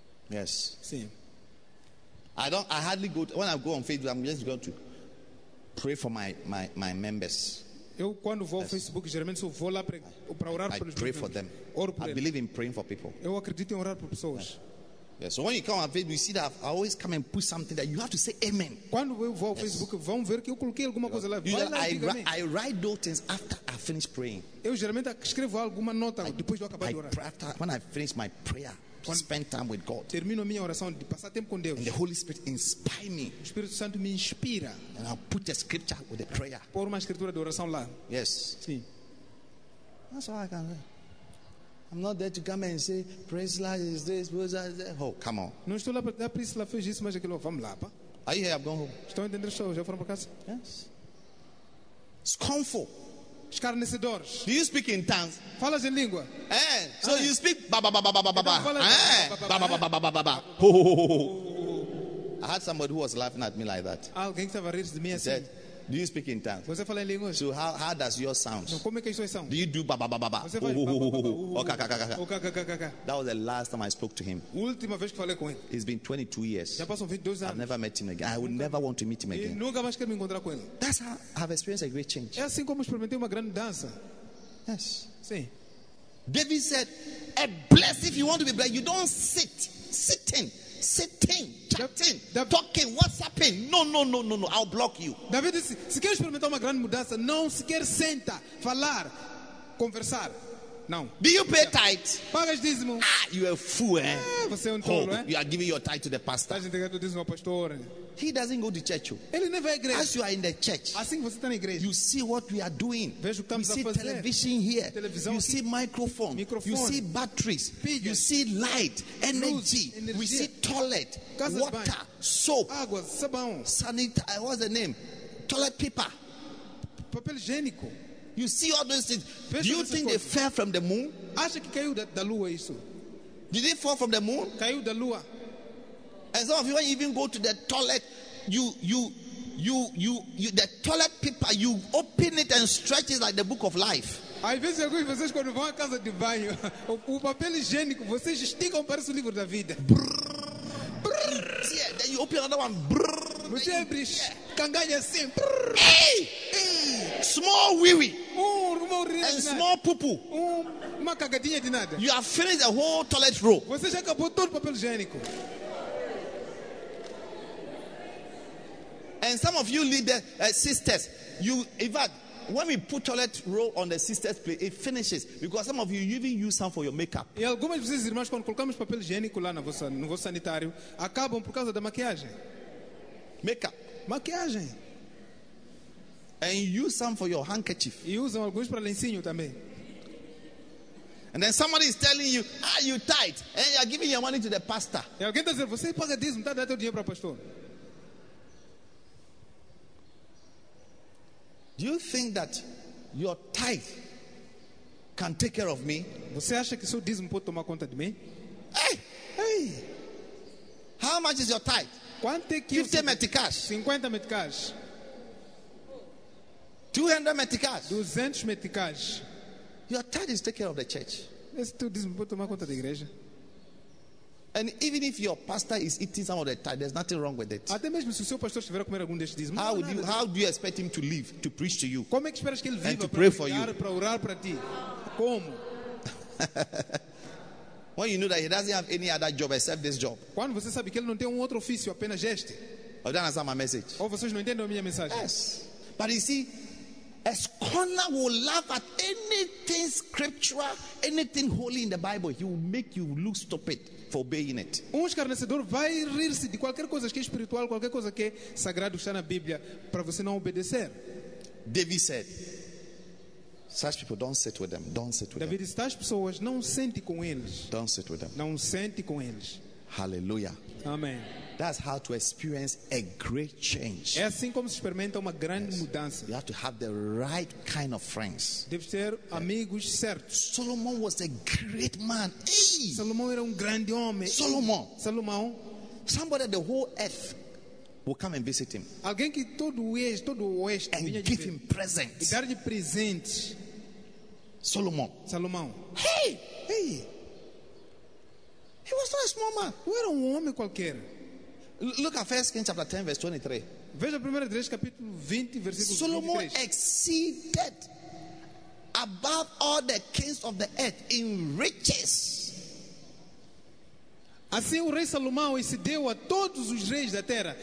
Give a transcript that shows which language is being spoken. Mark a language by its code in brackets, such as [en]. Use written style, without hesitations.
[en] Yes. [pt] Sim. [en] When I go on Facebook, I'm just going to pray for my members. [pt] Eu quando vou ao Facebook, geralmente eu vou lá para orar pelos [en] pray for them. [pt] Oro por [en] I [pt] eles. [en] Believe in praying for people. [pt] Eu acredito em orar por pessoas. [en] Yes. So when you come on Facebook, you see that I always come and put something that you have to say amen. [pt] Quando eu vou ao Facebook, vão ver que eu coloquei alguma coisa lá. Vai lá, [en] I write those things after I finish praying. [pt] Eu geralmente escrevo alguma nota depois de eu acabar de orar. [en] When I finish my prayer, [pt] quando [en] spend time with God. [pt] Termino a minha oração de passar tempo com Deus. [en] And the Holy Spirit inspire me. [pt] O Espírito Santo me inspira. [en] And I'll put a scripture with the prayer. [pt] Pôr uma escritura de oração lá. [en] Yes. [pt] Sim. [en] That's all I can say. I'm not there to come and say, Priscilla is this, Priscilla is that. Oh, come on. [pt] Não estou lá para dizer, Priscilla fez isso, mas aquilo, vamos lá, pá. [en] Are you here? I'm going home. [pt] Estão entendendo, já foram para casa? [en] Yes. Scornful. [pt] Escarnecedores. [en] Do you speak in tongues? [pt] Falas em língua. [en] So you speak, ba ba ba ba ba ba ba. [pt] Então, ba ba ba ba ba ba ba. [en] I had somebody who was laughing at me like that. [pt] Alguém estava a rir de mim assim. [en] He said, do you speak in tongues? [pt] Você fala em línguas? [en] So how does yours sound? [pt] Não, como é que as suas são? [en] Do you do ba ba ba ba ba? [pt] Você fala ba ba ba ba. [en] That was the last time I spoke to him. [pt] Última vez que falei com ele. [en] It's been 22 years. [pt] Já passam 22 anos. [en] I've never met him again. I would never want to meet him again. [pt] E nunca mais quero me encontrar com ele. [en] That's how I've experienced a great change. [pt] É assim como experimentei uma grande dança. [en] Yes. [pt] Sim. [en] David said, a blessing, if you want to be blessed, you don't sit. Sitting, chatting, talking, WhatsApping. No. I'll block you. [pt] David disse, se quer experimentar uma grande mudança, não sequer senta, falar, conversar. Não. [en] Do you pay tithe? [pt] Paga dízimo. [en] Ah, you are a fool, eh? [pt] Você é um tolo, eh? [en] You are giving your tithe to the pastor. [pt] A gente quer dizer ao pastor. [en] He doesn't go to church. [pt] Ele não vai à igreja. [en] As you are in the church, [pt] assim você está na igreja, [en] you see what we are doing. [pt] Vejo que [en] you see [pt] fazer. [en] Television here. [pt] Televisão [en] you [pt] aqui. [en] See microphone. [pt] Microfone. [en] You see batteries. [pt] Pilhas. [en] You see light, energy. [pt] Energia. [en] We see toilet, [pt] casas [en] water, [pt] banho. [en] Soap, [pt] água, sabão, [en] sanitary. What's the name? Toilet paper, [pt] papel higiênico. [en] You see all those things. [pt] Vejo [en] do you think [pt] coisas. [en] They fell from the moon? [pt] Acha que caiu da lua isso? [en] Did they fall from the moon? [pt] Caiu da lua. [en] And some of you, when you even go to the toilet, you the toilet paper, you open it and stretch it like the book of life. [pt] Às vezes alguns de vocês quando vão à casa de banho, o papel higiênico vocês esticam para o livro da vida. [en] Then you open another one. Brrr, [pt] você abre, canganha assim. [en] Hey! Small wee wee. [pt] Uma [en] and small poo-poo. [pt] Uma cagadinha de nada. [en] You have finished the whole toilet roll. [pt] Você já acabou todo o papel higiênico. [en] And some of you lead the sisters. You, in fact, when we put toilet roll on the sister's plate, it finishes. Because some of you even use some for your makeup. [pt] E algumas vezes, irmãs, quando colocamos papel higiênico lá no vosso sanitário, acabam por causa da maquiagem. [en] Makeup. [pt] Maquiagem. [en] And you use some for your handkerchief. [pt] E usam alguns para lencinho também. [en] And then somebody is telling you, are you tight? And you are giving your money to the pastor. [pt] E alguém está dizendo, você paga dízimo, está dando dinheiro para o pastor. [en] Do you think that your tithe can take care of me? [pt] Você acha que seu dízimo pode tomar conta de mim? [en] Hey! Hey! How much is your tithe? [pt] Quanto é que [en] 50 meticais. [pt] 50 meticais. [en] 200 meticais. [pt] 200 meticais. [en] Your tithe is taking care of the church. [pt] Esse teu dízimo pode tomar conta da igreja. [en] And even if your pastor is eating some of the tithe, there's nothing wrong with it. [pt] Até mesmo se o seu pastor estiver a comer algum destes dízimos. [en] How do you expect him to live to preach to you? [pt] Como é que esperas que ele viva [en] and to pray for you? [pt] Para orar para ti? Como? [en] When you know that he doesn't have any other job except this job. [pt] Quando você sabe que ele não tem outro ofício apenas este. [en] Or don't understand my message. [pt] Ou vocês não entendem a minha mensagem. [en] Yes. But you see, a scorner will laugh at anything scriptural, anything holy in the Bible. He will make you look stupid. For obeying it. [pt] Um escarnecedor vai rir-se de qualquer coisa que é espiritual, qualquer coisa que é sagrado que está na Bíblia, para você não obedecer. [en] David said, such people don't sit with them. Don't sit with them. [pt] David disse, tais pessoas não sente com eles. [en] Don't sit with them. [pt] Não sente com eles. [en] Hallelujah. Amen. That's how to experience a great change. [pt] É assim como se experimenta uma grande mudança. [en] You have to have the right kind of friends. [pt] Deve ter amigos certos. [en] Solomon was a great man. Hey! [pt] Salomão era grande homem. [en] Solomon. [pt] Salomão. [en] Somebody the whole earth will come and visit him. [pt] Alguém que todo o oeste [en] and [pt] vinha [en] give him presents. [pt] E dar-lhe presente. [en] Solomon. [pt] Salomão. [en] Hey! He was not a small man. [pt] Não era homem qualquer. [en] Look at 1 Kings chapter 10 verse 23. [pt] Veja 1 Reis capítulo 20 versículo 23. [en] Solomon exceeded above all the kings of the earth in riches. [pt] Assim o rei Salomão excedeu a todos os reis da terra,